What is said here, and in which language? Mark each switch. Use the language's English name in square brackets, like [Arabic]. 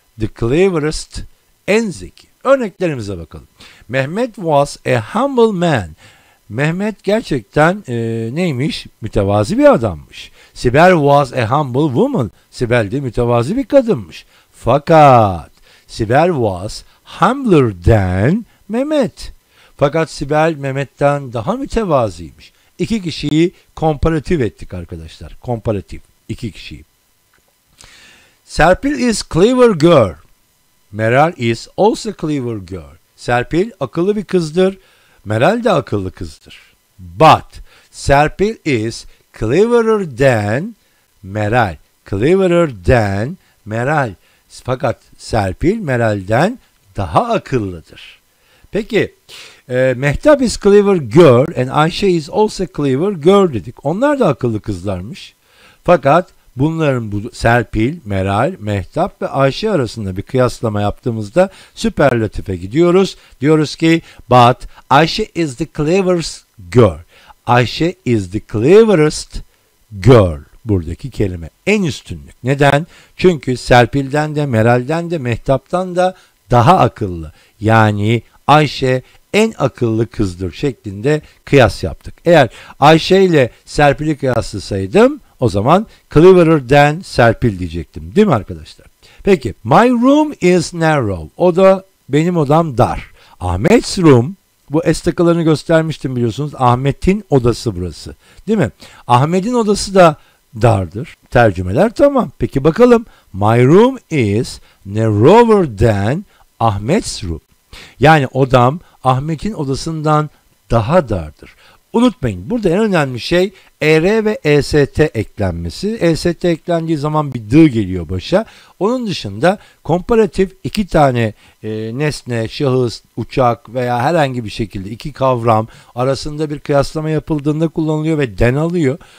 [Turkish] The cleverest, en zeki. Örneklerimize bakalım. [English] Mehmet was a humble man. [Turkish] Mehmet gerçekten neymiş? Mütevazi bir adammış. [English] Sibel was a humble woman. [Turkish] Sibel de mütevazi bir kadınmış. Fakat [English] Sibel was humbler than Mehmet. [Turkish] Fakat Sibel Mehmet'ten daha mütevazıymış. İki kişiyi komparatif ettik arkadaşlar. Komparatif. İki kişiyi. [English] Serpil is clever girl. Meral is also clever girl. [Turkish] Serpil akıllı bir kızdır. Meral de akıllı kızdır. [English] But Serpil is cleverer than Meral. Cleverer than Meral. [Turkish] Fakat Serpil Meral'den daha akıllıdır. [English] Peki, Mehtap is clever girl and Ayşe is also clever girl [Turkish] dedik. Onlar da akıllı kızlarmış. Fakat bunların Serpil, Meral, Mehtap ve Ayşe arasında bir kıyaslama yaptığımızda süperlatife gidiyoruz. Diyoruz ki, [English] but Ayşe is the cleverest girl. Ayşe is the cleverest girl. [Turkish] Buradaki kelime en üstünlük. Neden? Çünkü Serpil'den de Meral'den de Mehtap'tan da daha akıllı. Yani Ayşe en akıllı kızdır şeklinde kıyas yaptık. Eğer Ayşe ile Serpil'i kıyaslasaydım o zaman cleverer than Serpil diyecektim. Değil mi arkadaşlar? Peki [English] my room is narrow. [Turkish] O da benim odam dar. Ahmet's room. Bu es takılarını göstermiştim biliyorsunuz. Ahmet'in odası burası. Değil mi? Ahmet'in odası da dardır. Tercümeler tamam. Peki bakalım. [English] My room is narrower than Ahmet's room. [Turkish] Yani odam Ahmet'in odasından daha dardır. Unutmayın burada en önemli şey er ve est eklenmesi. Est eklendiği zaman bir d geliyor başa. Onun dışında komparatif iki tane nesne, şahıs, uçak veya herhangi bir şekilde iki kavram arasında bir kıyaslama yapıldığında kullanılıyor ve den alıyor.